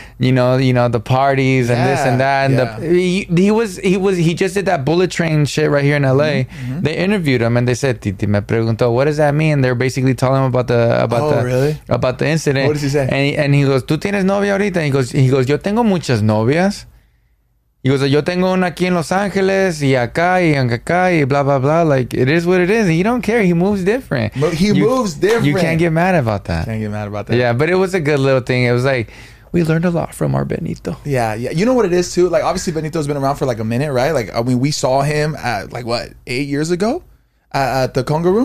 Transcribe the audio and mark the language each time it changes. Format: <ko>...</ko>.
<en>You know, the parties and yeah, this and that. And yeah. he just did that bullet train shit right here in LA. Mm-hmm. They interviewed him and they said,</en> <es>Titi me preguntó,</es> <en>what does that mean? And they're basically telling him about the incident. What does he say? And he goes,</en> <es>tú tienes novia ahorita? And he goes, yo tengo muchas novias.</es> <en>He goes,</en> <es>yo tengo una aquí en Los Angeles, y acá, y blah, blah, blah.</es> <en>Like, it is what it is. And he don't care. He moves different. But he moves different. You can't get mad about that. Can't get mad about that. Yeah, but it was a good little thing. It was like, we learned a lot from our Benito. Yeah, yeah. You know what it is, too? Like, obviously, Benito's been around for like a minute, right? Like, I mean, we saw him at, like, what, 8 years ago at the Conga Room?</en>